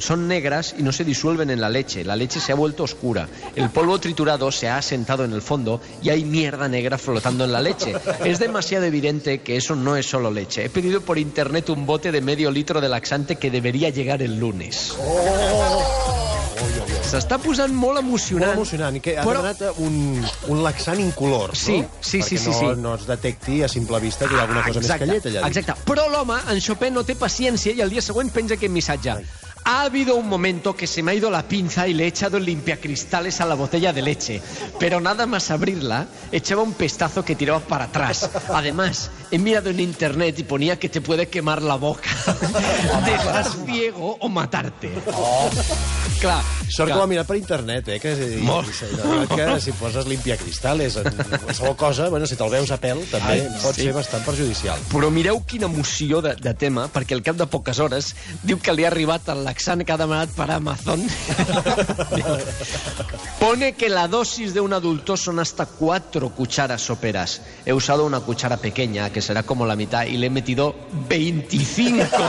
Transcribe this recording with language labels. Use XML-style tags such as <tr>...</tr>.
<es>Son negras y no se disuelven en la leche. La leche se ha vuelto oscura. El polvo triturado se ha asentado en el fondo y hay mierda negra flotando en la leche. Es demasiado evidente que eso no es solo leche. He pedido por internet un bote de medio litro de laxante que debería llegar el lunes.</es> <ca>S'està posant molt emocionant. Molt emocionant. Que ha demanat un laxant incolor. Sí, no? sí. Perquè no es detecti a simple vista que hi ha alguna cosa exacte, més que llet allà. Exacte. Però l'home, en Chopin, no té paciència i el dia següent penja aquest missatge. Ai.</ca> <es>Ha habido un momento que se me ha ido la pinza y le he echado el limpiacristales a la botella de leche. Pero nada más abrirla, echaba un pestazo que tiraba para atrás. Además, he mirado en internet y ponía que te puede quemar la boca. Te estás ciego o matarte.</es> <ca>Clar, sort que ho ha mirat per internet, eh? Que, si poses limpiacristales en qualsevol cosa, bueno, si te'l veus a pèl, també pot ser bastant perjudicial. Però mireu quina emoció de tema, perquè al cap de poques hores diu que li ha arribat el laxant que ha demanat per Amazon.</ca> <es>Pone que la dosis de un adulto son hasta 4 cucharas soperas. He usado una cuchara pequeña, que será como la mitad, y le he metido 25.</es>